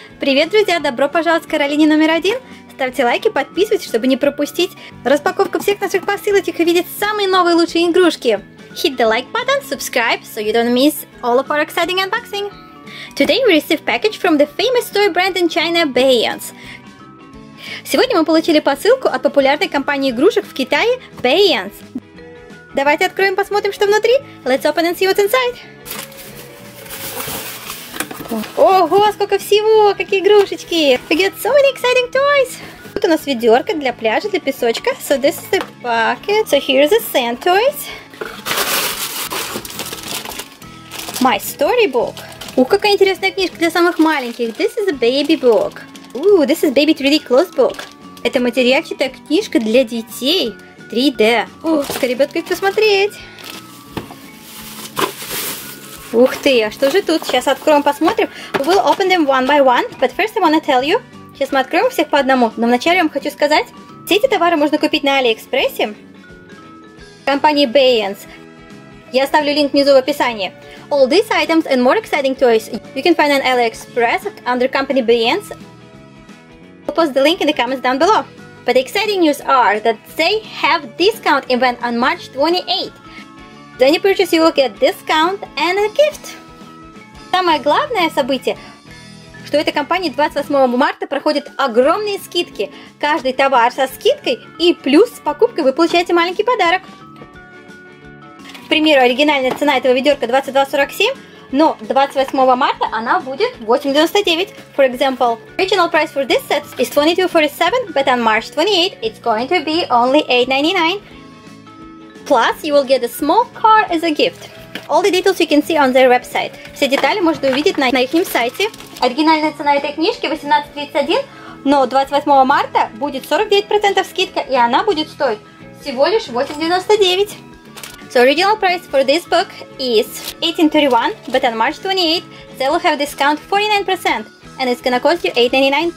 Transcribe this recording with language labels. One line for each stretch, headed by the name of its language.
Russian: Привет, друзья, добро пожаловать в Каролине номер один. Ставьте лайки, подписывайтесь, чтобы не пропустить распаковку всех наших посылочек и видеть самые новые лучшие игрушки.
English: Hit the like button, subscribe, so you don't miss all of our exciting unboxing. Today we receive package from the famous toy brand in China, Beans.
Russian: Сегодня мы получили посылку от популярной компании игрушек в Китае, Beans. Давайте откроем, посмотрим, что внутри.
English: Let's open and see what's inside.
Russian: Ого, сколько всего! Какие игрушечки!
English: We get so many exciting toys!
Russian: Тут у нас ведерко для пляжа, для песочка.
English: So this is the bucket. So here's the sand toys. My storybook.
Russian: Ух, какая интересная книжка для самых маленьких.
English: This is a baby book. Ooh, this is baby 3D clothes book.
Russian: Это материальчатая книжка для детей.
English: 3D.
Russian: Ух, скорее ребятка их посмотреть. Ух ты, а что же тут? Сейчас откроем, посмотрим.
English: We will open them one by one, but first I want to tell you.
Russian: Сейчас мы откроем всех по одному, но вначале я вам хочу сказать, все эти товары можно купить на Алиэкспрессе компании Beans. Я оставлю линк внизу в описании.
English: All these items and more exciting toys you can find on Aliexpress under company Beans. I'll post the link in the comments down below. But the exciting news are that they have discount event on March 28th. Then you purchase, you will get discount and a gift.
Russian: Самое главное событие, что эта компания 28 марта проходит огромные скидки. Каждый товар со скидкой и плюс с покупкой вы получаете маленький подарок. К примеру, оригинальная цена этого ведерка 22,47, но 28 марта она будет 8,99.
English: For example, original price for this set is 22,47, but on March 28 it's going to be only 8,99. Plus, you will get a small car as a gift. All the details you can see on their website.
Russian: Все детали можно увидеть на их сайте. Оригинальная цена этой книжки 18,31, но 28 марта будет 49% скидка, и она будет стоить всего лишь 8,99.
English: So original price for this book is 18,31, but on March 28 they will have discount 49%, and it's gonna cost you 8,99.